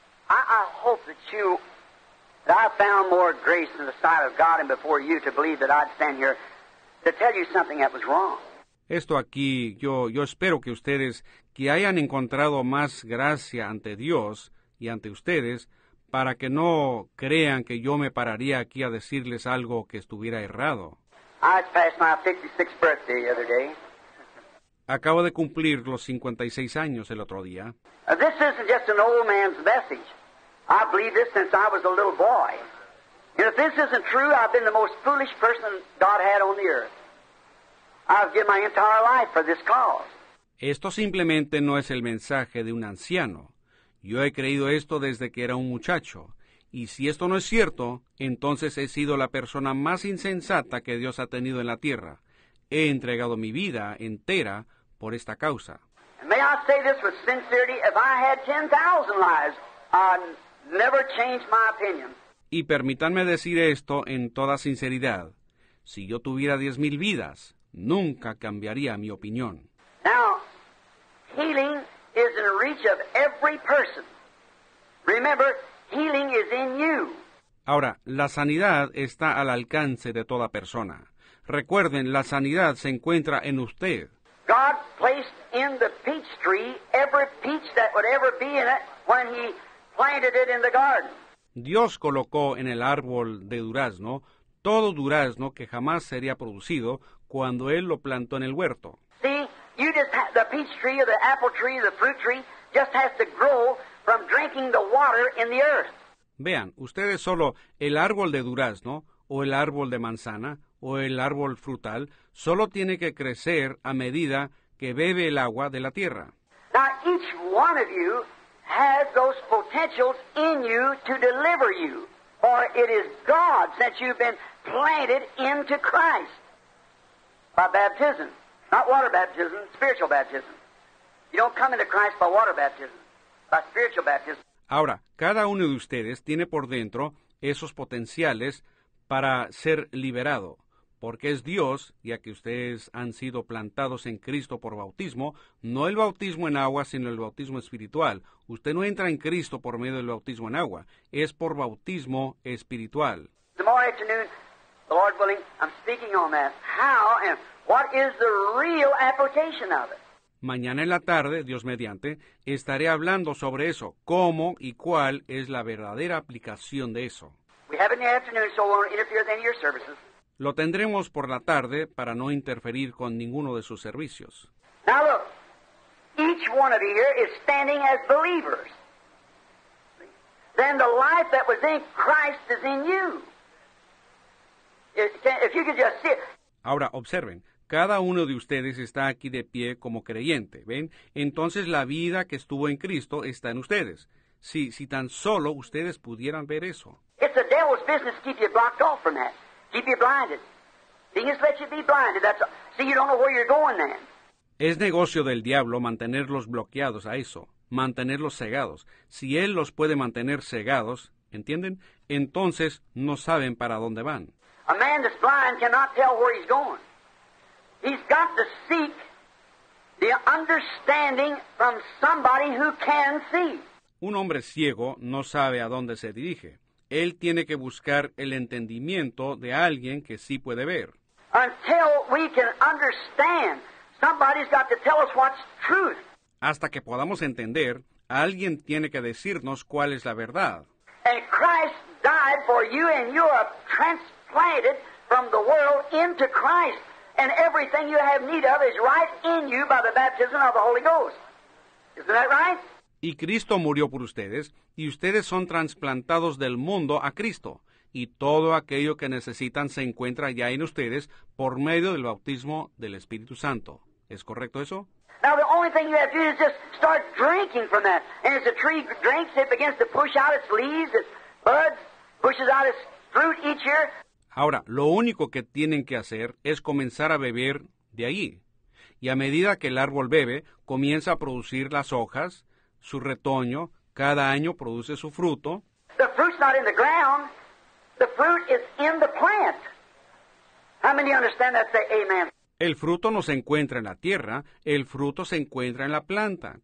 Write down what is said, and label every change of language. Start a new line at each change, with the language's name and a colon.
English: I hope that you, that I found more grace in the sight of God and before you to believe that I'd stand here to tell you something that was wrong.
Spanish: Esto aquí, yo espero que ustedes, que hayan encontrado más gracia ante Dios y ante ustedes, para que no crean que yo me pararía aquí a decirles algo que estuviera errado.
English: I just passed my 56th birthday the other day.
Spanish: Acabo de cumplir los 56 años el otro día.
English: This isn't just an old man's message. I believe this since I was a little boy. And if this isn't true, I've been the most foolish person God had on the earth. I've given my entire life for this cause.
Spanish: Esto simplemente no es el mensaje de un anciano. Yo he creído esto desde que era un muchacho. Y si esto no es cierto, entonces he sido la persona más insensata que Dios ha tenido en la tierra. He entregado mi vida entera por esta causa.
English: And may I say this with sincerity, if I had 10,000 lives, I'd never change my opinion.
Spanish: Y permítanme decir esto en toda sinceridad. Si yo tuviera 10,000 vidas, nunca cambiaría mi opinión.
English: Now, healing is in reach of every person. Remember, healing is in you.
Spanish: Ahora, la sanidad está al alcance de toda persona. Recuerden, la sanidad se encuentra en usted.
English: God placed in the peach tree every peach that would ever be in it when he planted it in the garden.
Spanish: Dios colocó en el árbol de durazno todo durazno que jamás sería producido cuando él lo plantó en el huerto.
English: See, you just have the peach tree or the apple tree or the fruit tree just has to grow from drinking the water in the earth.
Spanish: Vean, ustedes solo el árbol de durazno o el árbol de manzana o el árbol frutal solo tiene que crecer a medida que bebe el agua de la tierra.
English: Now each one of you has those potentials in you to deliver you. For it is God that you've been planted into Christ by baptism, not water baptism, spiritual baptism. You don't come into Christ by water baptism, by spiritual baptism.
Spanish: Ahora, cada uno de ustedes tiene por dentro esos potenciales para ser liberado, porque es Dios, ya que ustedes han sido plantados en Cristo por bautismo, no el bautismo en agua, sino el bautismo espiritual. Usted no entra en Cristo por medio del bautismo en agua, es por bautismo espiritual.
English: Tomorrow afternoon, the Lord willing, I'm speaking on that. How and what is the real application of it?
Spanish: Mañana en la tarde, Dios mediante, estaré hablando sobre eso, cómo y cuál es la verdadera aplicación de eso.
English: We have it in the afternoon, so we won't interfere with any of your services.
Spanish: Lo tendremos por la tarde para no interferir con ninguno de sus servicios.
English: Now look, each one of you here is standing as believers. Then the life that was in Christ is in you. If you could just see it.
Spanish: Ahora observen, cada uno de ustedes está aquí de pie como creyente, ¿ven? Entonces la vida que estuvo en Cristo está en ustedes. Si tan solo ustedes pudieran ver eso.
English: It's the devil's business to keep you blocked off from that. Keep you blinded. He just let you be blinded. That's all. See, you don't know where you're going then.
Spanish: Es negocio del diablo mantenerlos bloqueados a eso, mantenerlos cegados. Si él los puede mantener cegados, ¿entienden? Entonces no saben para dónde van.
English: A man that's blind cannot tell where he's going. He's got to seek the understanding from somebody who can see.
Spanish: Un hombre ciego no sabe a dónde se dirige. Él tiene que buscar el entendimiento de alguien que sí puede ver.
English: Until we can understand, somebody's got to tell us what's truth.
Spanish: Hasta que podamos entender, alguien tiene que decirnos cuál es la verdad.
English: And Christ died for you, and you are transplanted from the world into Christ. And everything you have need of is right in you by the baptism of the Holy Ghost. Isn't that right?
Spanish: Y Cristo murió por ustedes, y ustedes son transplantados del mundo a Cristo. Y todo aquello que necesitan se encuentra ya en ustedes por medio del bautismo del Espíritu Santo. ¿Es correcto eso?
English: Now the only thing you have to do is just start drinking from that. And as the tree drinks, it begins to push out its leaves, its buds, pushes out its fruit each year.
Spanish: Ahora, lo único que tienen que hacer es comenzar a beber de ahí. Y a medida que el árbol bebe, comienza a producir las hojas, su retoño, cada año produce su fruto.
English: The fruit's not in the ground. The fruit is in the plant. How many understand that? Say amen.
Spanish: El fruto no se encuentra en la tierra, el fruto se encuentra en la planta.